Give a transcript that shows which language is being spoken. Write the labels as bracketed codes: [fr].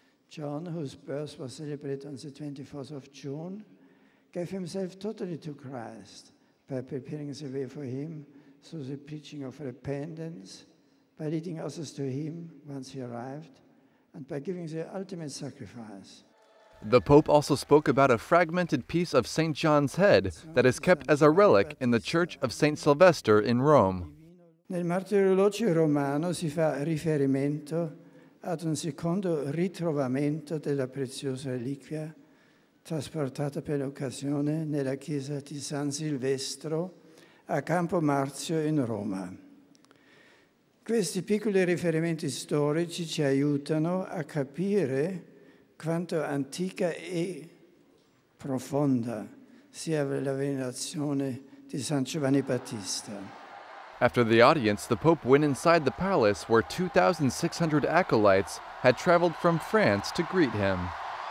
[en] John, whose birth was celebrated on the 24th of June, gave himself totally to Christ by preparing the way for him through the preaching of repentance, by leading others to him once he arrived, and by giving the ultimate sacrifice. The Pope also spoke about a fragmented piece of St. John's head that is kept as a relic in the Church of St. Sylvester in Rome. [it] Nel martirologio romano si fa riferimento ad un secondo ritrovamento della preziosa reliquia trasportata per l'occasione nella chiesa di San Silvestro a Campo Marzio in Roma. Questi piccoli riferimenti storici ci aiutano a capire quanto antica e profonda sia la venerazione di San Giovanni Battista. [en] After the audience, the Pope went inside the palace where 2,600 acolytes had traveled from France to greet him.